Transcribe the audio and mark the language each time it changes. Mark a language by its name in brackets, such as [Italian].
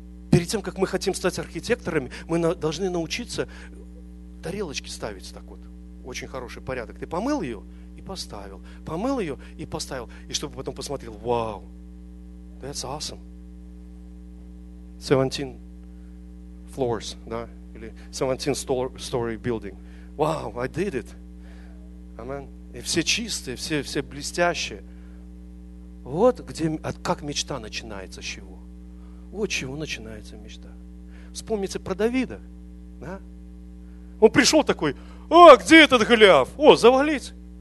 [Russian] Перед тем, как мы хотим стать архитекторами, мы должны научиться тарелочки ставить так вот. Очень хороший порядок. Ты помыл ее и поставил. Помыл ее и поставил. И чтобы потом посмотрел, вау, [English] that's awesome. 17 floors, [Russian] да? Или [English] 17-story building. Wow, I did it. Amen. [Russian] И все чистые, все блестящие. Вот где, как мечта начинается, с чего. Вот чего начинается мечта. Вспомните про Давида. Да? Он пришел такой, где этот Голиаф? О, завалить.